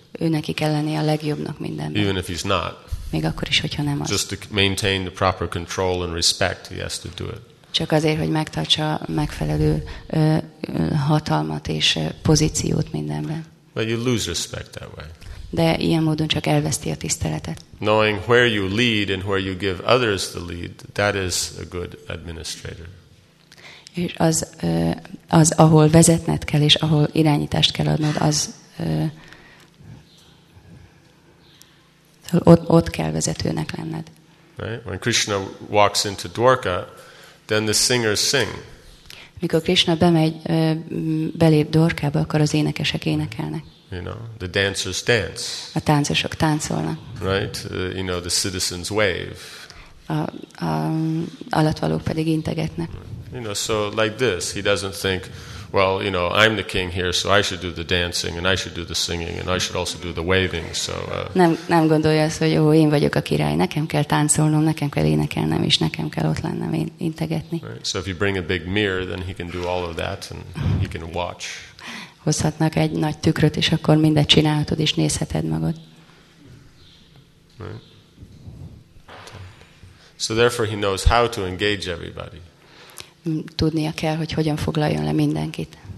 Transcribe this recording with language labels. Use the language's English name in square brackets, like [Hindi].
[Hungarian] Ő neki kell lenni a legjobbnak mindenben. [English] Even if he's not. [Hungarian] Még akkor is, hogyha nem az. [English] Just to maintain the proper control and respect, he has to do it. [Hungarian] Csak azért, hogy megtartsa megfelelő hatalmat és pozíciót mindenben. [English] But you lose respect that way. [Hungarian] De ilyen módon csak elveszti a tiszteletet. [English] Knowing where you lead and where you give others the lead, that is a good administrator. [Hungarian] És az ahol vezetned kell és ahol irányítást kell adnod, az ott kell vezetőnek lenned. [English] Right? When Krishna walks into Dwarka, then the singers sing. [Hungarian] Mikor Krishna bemegy, belép Dwarkába, akkor az énekesek énekelnek. [English] You know, the dancers dance. [Hungarian] A táncosok táncolnak. [English] Right? You know, the citizens wave. [Hungarian] A alattvalók pedig integetnek. [English] You know, so like this, he doesn't think, well, you know, I'm the king here, so I should do the dancing, and I should do the singing, and I should also do the waving, so... [Hungarian] Nem gondolja azt, hogy ó, én vagyok a király, nekem kell táncolnom, nekem kell énekelnem, és nekem kell ott lennem, integetni. [English] Right. So if you bring a big mirror, then he can do all of that, and he can watch. [Hungarian] Hozhatnak egy nagy tükröt, és akkor mindet csinálhatod, és nézheted magad. [English] Right. So therefore he knows how to engage everybody. [Hungarian] Tudnia kell, hogy hogyan foglaljon le mindenkit.